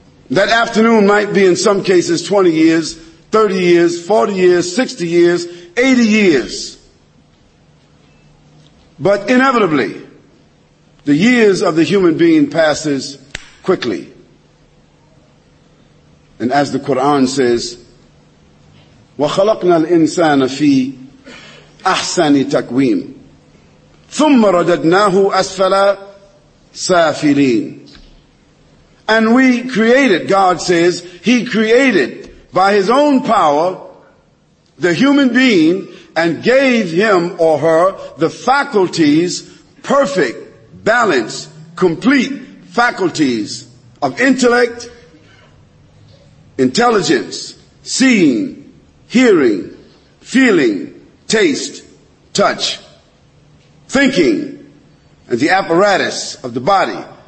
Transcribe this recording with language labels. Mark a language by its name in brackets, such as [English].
[English] That afternoon might be in some cases 20 years, 30 years, 40 years, 60 years, 80 years. But inevitably, the years of the human being passes quickly. [Arabic] And as the Quran says, وَخَلَقْنَا الْإِنسَانَ فِي أَحْسَنِ تَقْوِيمٍ ثُمَّ رَدَدْنَاهُ أَسْفَلَ سَافِلِينَ. [English] And we created, God says, He created by His own power the human being and gave him or her the faculties, perfect, balanced, complete faculties of intellect, intelligence, seeing, hearing, feeling, taste, touch, thinking, and the apparatus of the body.